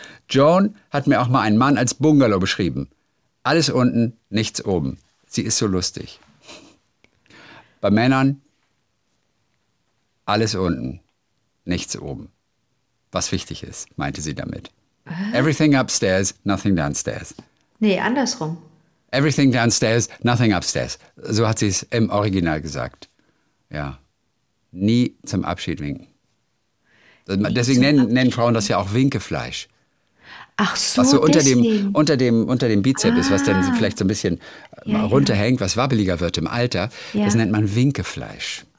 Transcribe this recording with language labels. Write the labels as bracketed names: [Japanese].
[German] Joan hat mir auch mal einen Mann als Bungalow beschrieben. Alles unten, nichts oben. Sie ist so lustig. Bei Männern, alles unten, nichts oben. Was wichtig ist, meinte sie damit. [English] Everything upstairs, nothing downstairs. [German] Nee, andersrum. [English] Everything downstairs, nothing upstairs. [German] So hat sie es im Original gesagt. Ja, nie zum Abschied winken. Deswegen nennen Frauen das ja auch Winkefleisch. Ach so, was so unter dem Bizeps ist, was dann vielleicht so ein bisschen runterhängt, was wabbeliger wird im Alter, das nennt man Winkefleisch.